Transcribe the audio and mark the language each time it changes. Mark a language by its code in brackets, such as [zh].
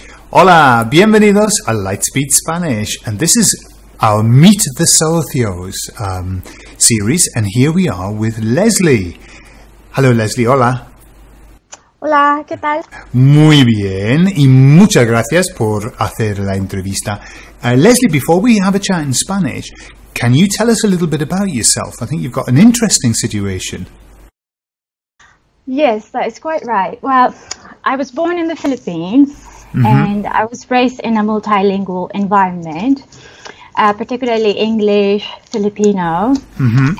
[es] Hola, bienvenidos a [en] LightSpeed Spanish, and this is our Meet the Socios series, and here we are with Leslie. Hello, Leslie, hola. [es] Hola, ¿qué tal? Muy bien, y muchas gracias por hacer la entrevista. [en] Leslie, before we have a chat in Spanish, can you tell us a little bit about yourself? I think you've got an interesting situation. Yes, that is quite right. Well, I was born in the Philippines. Mm-hmm. And I was raised in a multilingual environment, particularly English, Filipino, mm-hmm.